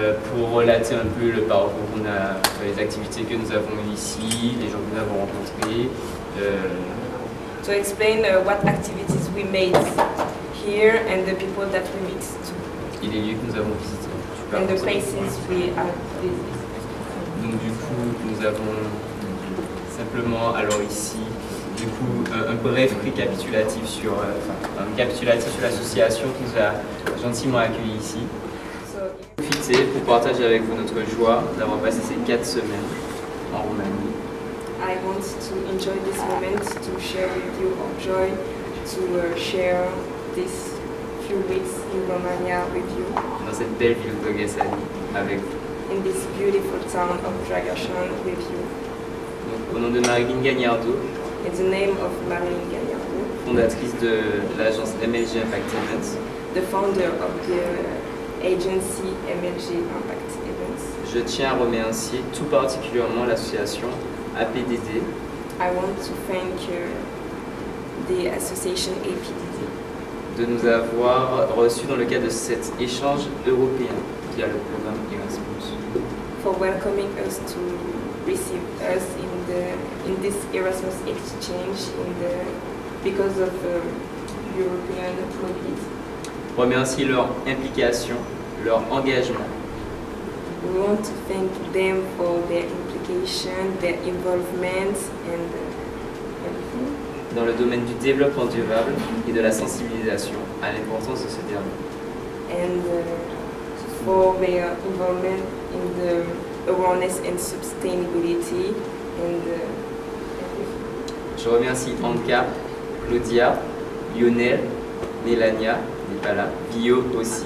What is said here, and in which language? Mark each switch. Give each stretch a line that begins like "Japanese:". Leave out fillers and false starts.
French: Pour relater un peu le parcours qu'on a, les activités que nous avons ici, les gens que nous avons rencontrés.
English: To explain what activities we made here and the people that we meet too.
French: Et les lieux que nous avons visités.
English: And the places we have visited.
French: Donc du coup, nous avons simplement, alors ici, du coup, un bref récapitulatif sur, un récapitulatif sur l'association qui nous a gentiment accueillis ici. Profitez pour partager avec vous notre joie d'avoir passé ces 4 semaines en Roumanie.
English: I want to enjoy this moment to share with you our joy to share this few weeks in Romania with you.
French: Dans cette belle ville de Ghesani avec vous.
English: In this beautiful town of Dragașan with you.
French: Donc, au nom de Marine Gagnardot.
English: In the name of Marine Gagnardot.
French: Fondatrice de l'agence MLG Impact Events.
English: The founder of the Agency MLG Impact Events.
French: Je tiens à remercier tout particulièrement l'association APDD.
English: I want to thank the association APDD.
French: De nous avoir reçus dans le cadre de cet échange européen via le programme Erasmus.
English: For welcoming us to receive us in this Erasmus exchange in the because of the European COVID.
French: Remercier leur implication. Leur engagement.
English: We want to thank them for their implication, their involvement and everything.
French: Dans le domaine du développement durable et de la sensibilisation à l'importance de ce dernier.
English: And for their involvement in the awareness and sustainability and
French: Je remercie Anka, Claudia, Lionel, Melania, n'est pas là, Bio aussi.